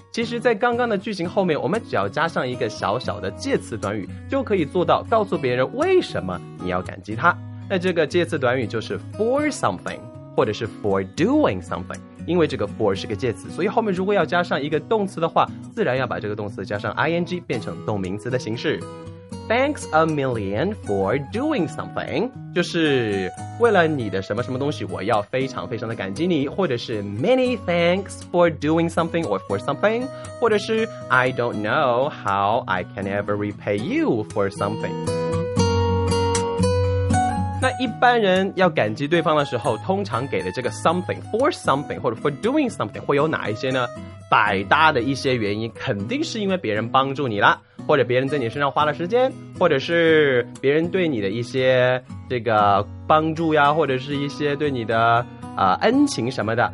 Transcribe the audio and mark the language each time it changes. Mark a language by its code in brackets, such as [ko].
[zh] 其实在刚刚的句型后面，我们只要加上一个小小的介词短语，就可以做到告诉别人为什么你要感激他。那这个介词短语就是 [en] for something [zh] 或者是 [en] for doing something， [zh] 因为这个 for 是个介词，所以后面如果要加上一个动词的话，自然要把这个动词加上 ing 变成动名词的形式。 [en] Thanks a million for doing something， [zh] 就是为了你的什么什么东西，我要非常非常的感激你，或者是 [en] many thanks for doing something or for something， [zh] 或者是 [en] I don't know how I can ever repay you for something。 [zh] 那一般人要感激对方的时候，通常给的这个 something [en] for something [zh] 或者 [en] for doing something [zh] 会有哪一些呢？百搭的一些原因，肯定是因为别人帮助你了，或者别人在你身上花了时间，或者是别人对你的一些这个帮助呀，或者是一些对你的恩情什么的。